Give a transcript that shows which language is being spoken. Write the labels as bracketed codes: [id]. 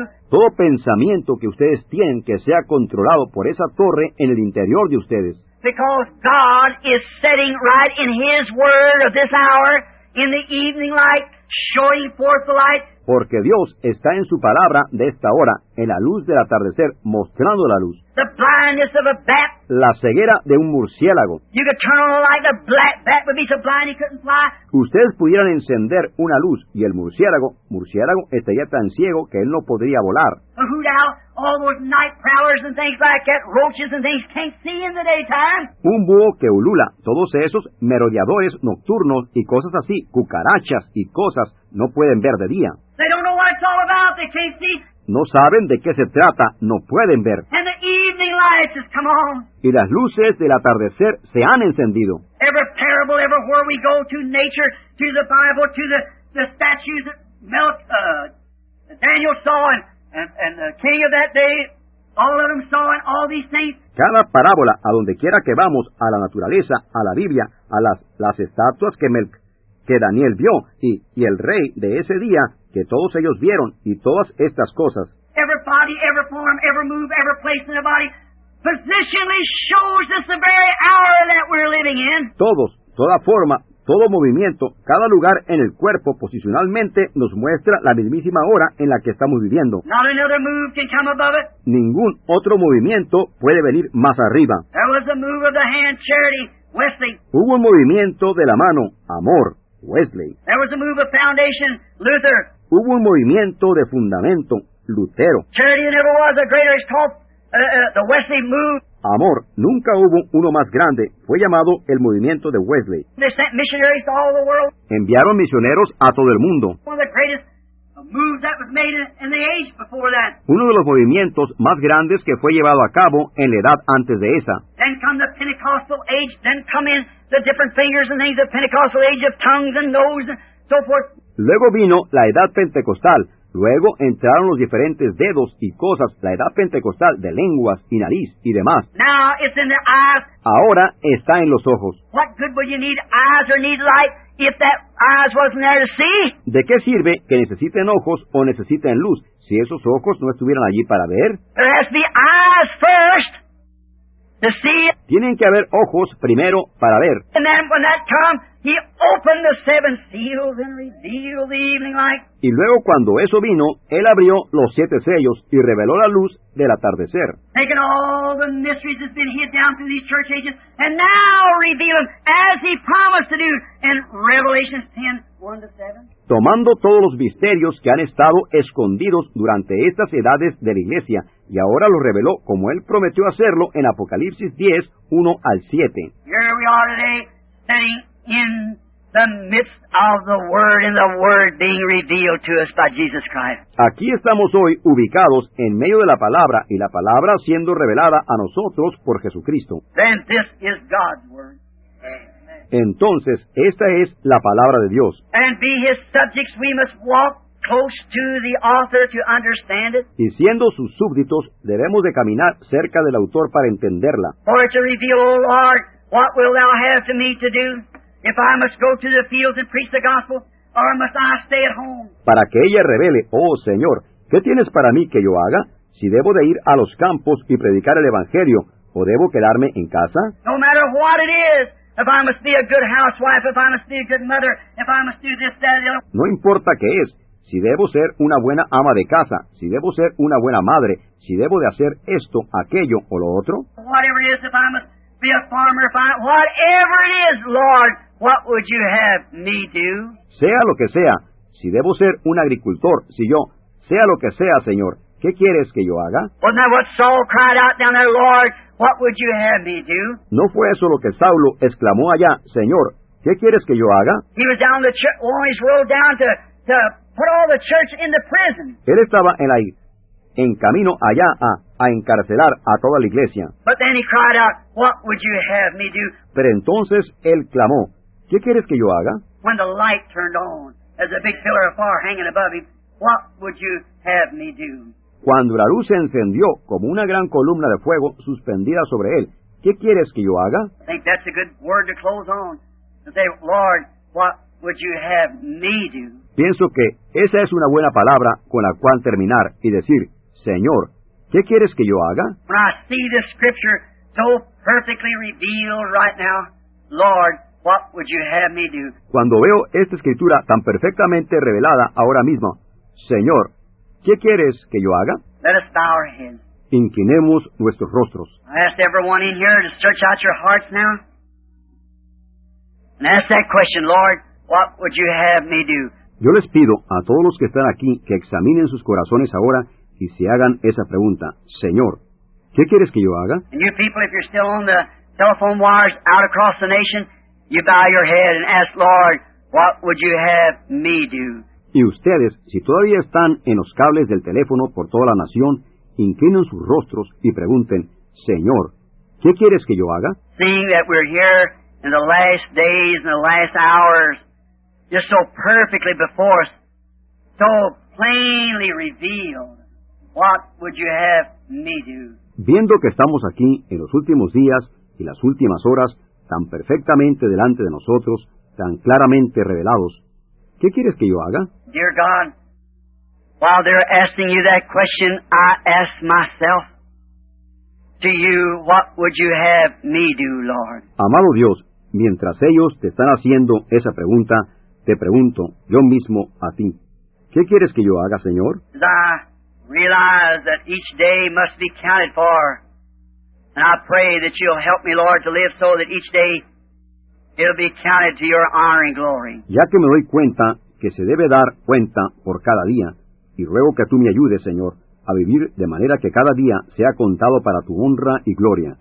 [es] Todo pensamiento que ustedes tienen que sea controlado por esa torre en el interior de ustedes. [en] Because God is setting right in His Word of this hour, in the evening light, showing forth the light. [es] Porque Dios está en su palabra de esta hora, en la luz del atardecer, mostrando la luz. [en] The blindness of a bat. [es] La ceguera de un murciélago. [en] You could turn on a light, the black bat would be so blind he couldn't fly. [es] Ustedes pudieran encender una luz y el murciélago estaría tan ciego que él no podría volar. [en] All those night prowlers and things like that, roaches and things, can't see in the daytime. [es] Un búho que ulula, todos esos merodeadores nocturnos y cosas así, cucarachas y cosas, no pueden ver de día. [en] They don't know what it's all about, they can't see. [es] No saben de qué se trata, no pueden ver. [en] And the evening lights has come on. [es] Y las luces del atardecer se han encendido. [en] Every parable, everywhere we go, to nature, to the Bible, to the statues that Daniel saw and the king of that day, all of them saw, and all these things. [es] Cada parábola, a donde quiera que vamos, a la naturaleza, a la Biblia, a las estatuas que Daniel vio, y el rey de ese día, que todos ellos vieron, y todas estas cosas. [en] Every body, every form, every move, every place in the body, positionally shows us the very hour that we're living in. [es] Todos, toda forma, todo movimiento, cada lugar en el cuerpo posicionalmente nos muestra la mismísima hora en la que estamos viviendo. [en] Not another move can come above it. [es] Ningún otro movimiento puede venir más arriba. [en] There was a move of the hand, charity, Wesley. [es] Hubo un movimiento de la mano, amor, Wesley. [en] There was a move of foundation, Luther. [es] Hubo un movimiento de fundamento, Lutero. [en] Charity never was a greater hope. The Wesley move. [es] Amor, nunca hubo uno más grande. Fue llamado el movimiento de Wesley. [en] They sent missionaries to all the world. [es] Enviaron misioneros a todo el mundo. [en] One of the greatest moves that was made in the age before that. [es] Uno de los movimientos más grandes que fue llevado a cabo en la edad antes de esa. [en] Then come the Pentecostal age. Then come in the different fingers and things of Pentecostal age of tongues and knows and so forth. [es] Luego vino la edad pentecostal. Luego entraron los diferentes dedos y cosas, la edad pentecostal de lenguas y nariz y demás. [en] Now it's in the eyes. [es] Ahora está en los ojos. [en] What good would you need eyes or need light if that eyes wasn't there to see? [es] ¿De qué sirve que necesiten ojos o necesiten luz si esos ojos no estuvieran allí para ver? [en] There has to be eyes first to see. [es] Tienen que haber ojos primero para ver. [en] And then when that comes, he opened the seven seals and revealed the evening light. [es] Y luego cuando eso vino, él abrió los siete sellos y reveló la luz del atardecer. [en] Taking all the mysteries that's been hid down through these church ages and now reveal them as he promised to do in Revelation 10, 1-7. [es] Tomando todos los misterios que han estado escondidos durante estas edades de la iglesia, y ahora los reveló como él prometió hacerlo en Apocalipsis 10, 1-7. [en] Here we are today, standing in the midst of the Word, and the Word being revealed to us by Jesus Christ. [es] Aquí estamos hoy ubicados en medio de la palabra, y la palabra siendo revelada a nosotros por Jesucristo. [en] Then this is God's Word. Amen. [es] Entonces, esta es la palabra de Dios. [en] And be His subjects, we must walk close to the author to understand it. [es] Y siendo sus súbditos, debemos de caminar cerca del autor para entenderla. [en] For it to reveal, O Lord, what will thou have to me to do? If I must go to the fields and preach the gospel, or must I stay at home? [es] Para que ella revele, oh Señor, ¿qué tienes para mí que yo haga? Si debo de ir a los campos y predicar el Evangelio, ¿o debo quedarme en casa? [en] No matter what it is, if I must be a good housewife, if I must be a good mother, if I must do this, that, and the other. [es] No importa qué es, si debo ser una buena ama de casa, si debo ser una buena madre, si debo de hacer esto, aquello, o lo otro. [en] Whatever it is, if I must be a farmer, if I, whatever it is, Lord, what would you have me do? [es] Sea lo que sea, si debo ser un agricultor, si yo, sea lo que sea, Señor, ¿qué quieres que yo haga? [en] Wasn't that what Saul cried out down there, Lord, what would you have me do? [es] ¿No fue eso lo que Saulo exclamó allá, Señor, ¿qué quieres que yo haga? [en] He was down the church, on his road down to put all the church in the prison. [es] Él estaba en la en camino allá a encarcelar a toda la iglesia. [en] But then he cried out, what would you have me do? [es] Pero entonces él clamó, ¿qué quieres que yo haga? [en] When the light turned on, as a big pillar of fire hanging above him, what would you have me do? [es] Cuando la luz se encendió como una gran columna de fuego suspendida sobre él, ¿qué quieres que yo haga? [en] I think that's a good word to close on. To say, Lord, what would you have me do? [es] Pienso que esa es una buena palabra con la cual terminar y decir, Señor, ¿qué quieres que yo haga? [en] When I see this scripture so perfectly revealed right now, Lord, what would you have me do? [es] Cuando veo esta escritura tan perfectamente revelada ahora mismo, Señor, ¿qué quieres que yo haga? [en] Let us bow our heads. [es] Inclinemos nuestros rostros. [en] I ask everyone in here to search out your hearts now. And ask that question, Lord, what would you have me do? [es] Yo les pido a todos los que están aquí que examinen sus corazones ahora y se hagan esa pregunta. Señor, ¿qué quieres que yo haga? [en] And you people, if you're still on the telephone wires out across the nation, you bow your head and ask, Lord, what would you have me do? [es] Y ustedes, si todavía están en los cables del teléfono por toda la nación, inclinen sus rostros y pregunten, Señor, ¿qué quieres que yo haga? [en] Seeing that we're here in the last days and the last hours, just so perfectly before us, so plainly revealed, what would you have me do? [es] Viendo que estamos aquí en los últimos días y las últimas horas, tan perfectamente delante de nosotros, tan claramente revelados, ¿qué quieres que yo haga? [en] Dear God, while they're asking you that question, I ask myself to you, what would you have me do, Lord? [es] Amado Dios, mientras ellos te están haciendo esa pregunta, te pregunto yo mismo a ti, ¿qué quieres que yo haga, Señor? [en] As I realize that each day must be counted for, and I pray that you'll help me, Lord, to live so that each day it'll be counted to your honor and glory. [es] Ya que me doy cuenta que se debe dar cuenta por cada día, y ruego que tú me ayudes, Señor, a vivir de manera que cada día sea contado para tu honra y gloria.